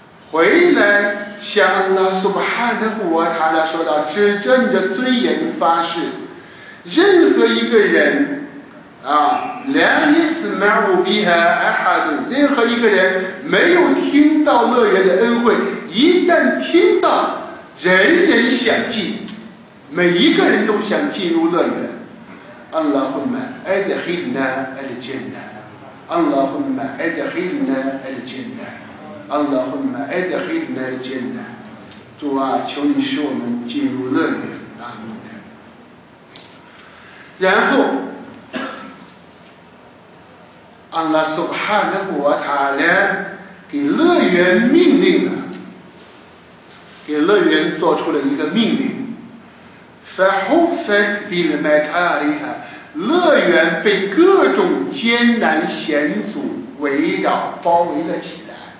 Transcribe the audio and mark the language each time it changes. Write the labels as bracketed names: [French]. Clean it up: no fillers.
[Chinese] 回来向安拉苏巴哈纳胡瓦塔拉说道，指着你的尊严发誓，任何一个人啊， [Arabic] 拉伊斯马乌比哈阿哈杜， [Chinese] 任何一个人没有听到乐园的恩惠，一旦听到人人想进，每一个人都想进入乐园。 [Arabic] اللهم ادخلنا الجنة اللهم ادخلنا الجنة اللهم ادخلنا الجنة [Chinese] 主啊，求你使我们进入乐园，阿们。然后安拉苏巴哈纳胡瓦塔拉给乐园命令了，给乐园做出了一个命令， [Arabic] 发呼发比尔麦卡里哈， [Chinese] 乐园被各种艰难险阻围绕包围了起来。